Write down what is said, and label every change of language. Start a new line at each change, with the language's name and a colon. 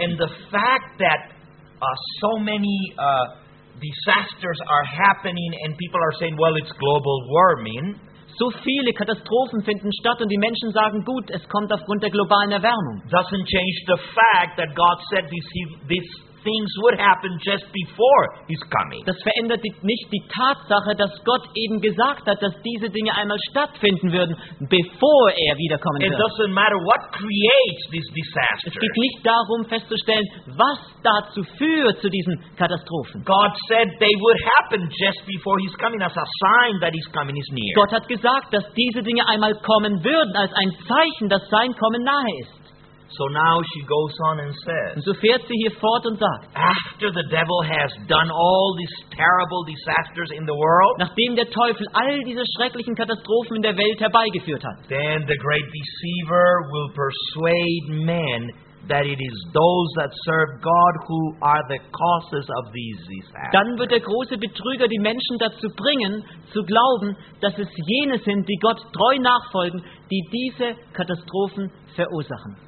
English: And the fact that so many disasters are happening and people are saying, well, it's global warming.
German: So viele Katastrophen finden statt und die Menschen sagen, gut, es kommt aufgrund der globalen Erwärmung.
English: Doesn't change the fact that God said these things would happen just before his coming.
German: Das verändert nicht die Tatsache, dass Gott eben gesagt hat, dass diese Dinge einmal stattfinden würden, bevor er wiederkommen wird.
English: It doesn't matter what creates these disasters.
German: Es geht nicht darum festzustellen, was dazu führt zu diesen Katastrophen.
English: God said they would happen just before his coming as a sign that his coming is near.
German: Gott hat gesagt, dass diese Dinge einmal kommen würden als ein Zeichen, dass sein Kommen nahe ist.
English: So now she goes on and says.
German: Und so fährt sie hier fort und sagt.
English: After the devil has done all these terrible disasters in the world.
German: Nachdem der Teufel all diese schrecklichen Katastrophen in der Welt herbeigeführt hat.
English: Then the great deceiver will persuade men that it is those that serve God who are the causes of these disasters.
German: Dann wird der große Betrüger die Menschen dazu bringen, zu glauben, dass es jene sind, die Gott treu nachfolgen, die diese Katastrophen verursachen.